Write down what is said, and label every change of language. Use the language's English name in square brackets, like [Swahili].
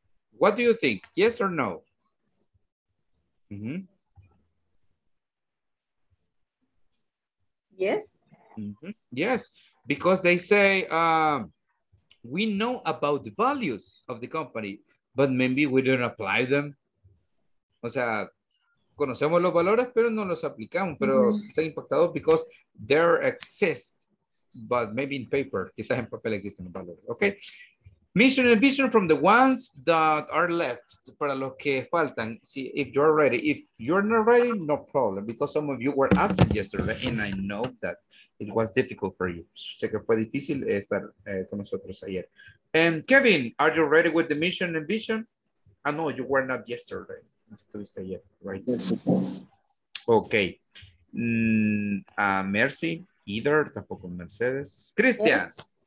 [English] What do you think? Yes or no? Mm-hmm. Yes. Mm-hmm. Yes. Because they say, we know about the values of the company, but maybe we don't apply them. [Spanish] O sea, conocemos los valores, pero no los aplicamos. Pero se ha impactado [English] because there exist, but maybe in paper, [Spanish] quizás en papel existen los valores. Okay. [English] Mission and vision from the ones that are left, [Spanish] para los que faltan. [English] See, if you're ready, if you're not ready, no problem, because some of you were absent yesterday, and I know that it was difficult for you. [Spanish] Sé que fue difícil estar con nosotros ayer. [English] And Kevin, are you ready with the mission and vision? I know you were not yesterday. [Spanish] Estuviste ayer, [English] right? Okay. Mercy, either, [Spanish] tampoco Mercedes. [English] Christian. Yes.